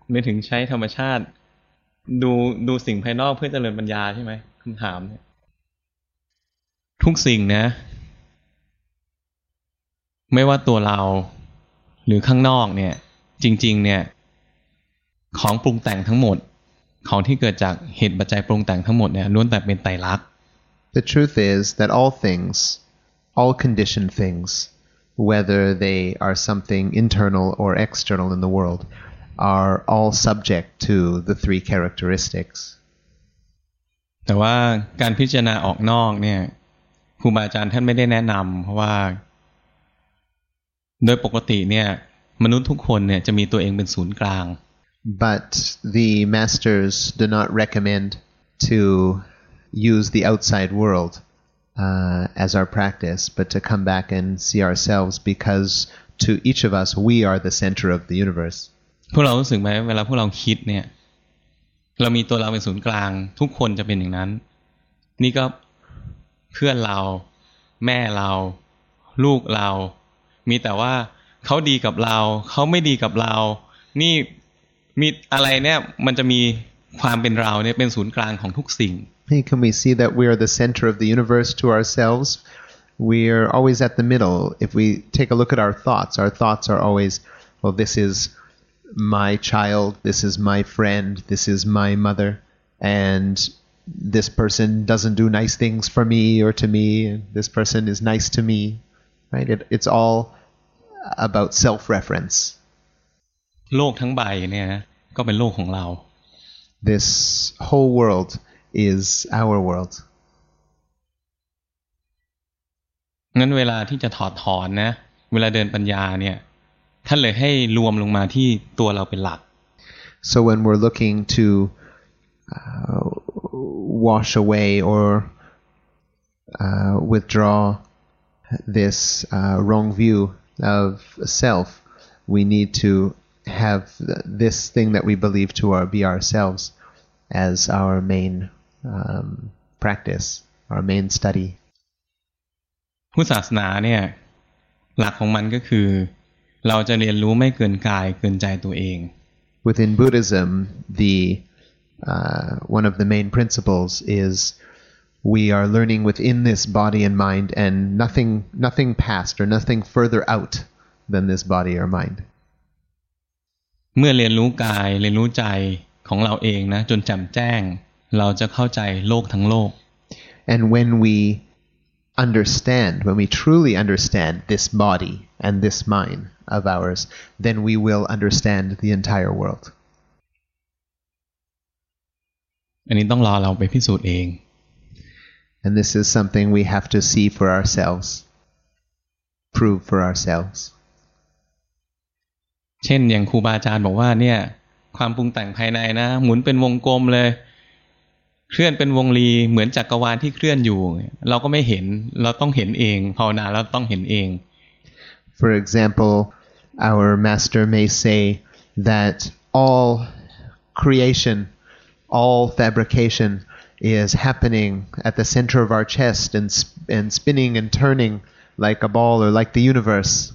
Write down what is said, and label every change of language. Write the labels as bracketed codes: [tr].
[th] หมายถึงใช้ธรรมชาติดูสิ่งภายนอกเพื่อเจริญปัญญาใช่ไหมคำถามทุกสิ่งนะไม่ว่าตัวเราหรือข้างนอกเนี่ยจริงๆเนี่ยของปรุงแต่งทั้งหมดของที่เกิดจากเหตุปัจจัยปรุงแต่งทั้งหมดเนี่ยล้วนแต่เป็นไตรลักษณ์ [en] The truth is that all things all conditioned things whether they are something internal or external in the world are all subject to the three characteristics [th] แต่ว่าการพิจารณาออกนอกเนี่ยครูบาอาจารย์ท่านไม่ได้แนะนำเพราะว่าโดยปกติเนี่ยมนุษย์ทุกคนเนี่ยจะมีตัวเองเป็นศูนย์กลาง [en] But the masters do not recommend to use the outside world as our practice but to come back and see ourselves because to each of us we are the center of the universe [th] พวกเรารู้สึกไหมเวลาพวกเราคิดเนี่ยเรามีตัวเราเป็นศูนย์กลางทุกคนจะเป็นอย่างนั้นนี่ก็เพื่อนเราแม่เราลูกเรามีแต่ว่าเขาดีกับเราเขาไม่ดีกับเรานี่มีอะไรเนี่ยมันจะมีความเป็นเราเนี่ยเป็นศูนย์กลางของทุกสิ่ง [en] Hey, can we see that we are the center of the universe to ourselves? We are always at the middle. If we take a look at our thoughts are always, well, this is my child, this is my friend, this is my mother, and this person doesn't do nice things for me or to me, this person is nice to me. Right, it's all about self-reference. [th] โลกทั้งใบเนี่ยก็เป็นโลกของเรา [en] This whole world is our world. [th] งั้นเวลาที่จะถอดถอนนะเวลาเดินปัญญาเนี่ยท่านเลยให้รวมลงมาที่ตัวเราเป็นหลัก [en] So when we're looking to wash away or withdrawThis wrong view of self, we need to have this thing that we believe to be ourselves as our main practice, our main study. [th] พุทธศาสนาเนี่ยหลักของมันก็คือเราจะเรียนรู้ไม่เกินกายเกินใจตัวเอง [en] Within Buddhism, the one of the main principles is. We are learning within this body and mind, and nothing past or nothing further out than this body or mind. [th] เมื่อเรียนรู้กายเรียนรู้ใจของเราเองนะจนแจ่มแจ้งเราจะเข้าใจโลกทั้งโลก [en] And when we understand, when we truly understand this body and this mind of ours, then we will understand the entire world. [th] อันนี้ต้องรอเราไปพิสูจน์เอง [en] And this is something we have to see for ourselves, prove for ourselves. [th] เช่นอย่างครูบาอาจารย์บอกว่าเนี่ยความปรุงแต่งภายในนะหมุนเป็นวงกลมเลยเคลื่อนเป็นวงรีเหมือนจักรวาลที่เคลื่อนอยู่เราก็ไม่เห็นเราต้องเห็นเองภาวนาเราต้องเห็นเอง [en] For example, our master may say that all creation, all fabrication. Is happening at the center of our chest and spinning and turning like a ball or like the universe.